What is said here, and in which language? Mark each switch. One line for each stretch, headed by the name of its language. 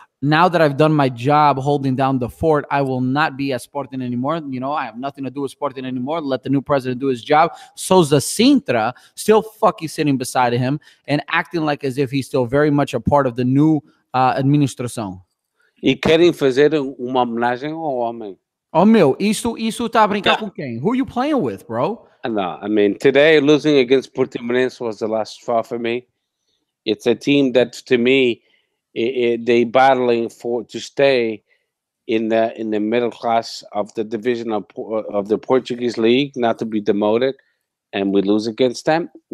English: Now that I've done my job holding down the fort, I will not be at Sporting anymore. You know, I have nothing to do with Sporting anymore. Let the new president do his job. Sousa Sintra, still fucking sitting beside him and acting like as if he's still very much a part of the new administração.
Portuguese: E querem fazer uma homenagem ao homem. Oh, meu, isso tá a brincar com quem?
English: Who are you playing with, bro? No, I mean, today losing against Portimonense was the last straw for me. It's a team that, to me, they battling to stay in the middle class of the division of the Portuguese league, not to be demoted, and we lose against them.